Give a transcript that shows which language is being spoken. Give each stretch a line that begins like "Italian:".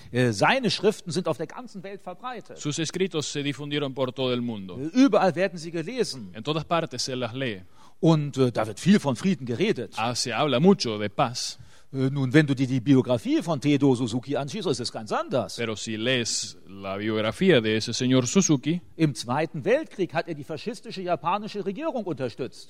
German: Seine Schriften sind auf der ganzen Welt verbreitet.
Spanish: Sus escritos se difundieron por todo el mundo.
German: Überall werden sie gelesen.
Spanish: En todas partes se las lee.
German: Und da wird viel von Frieden geredet.
Spanish: Ah, se habla mucho de paz.
German: Nun, wenn du dir die Biografie von T.D. Suzuki anschaust, ist es ganz anders.
Spanish: Pero si lees la biografía de ese señor Suzuki.
German: Im Zweiten Weltkrieg hat er die faschistische japanische Regierung unterstützt.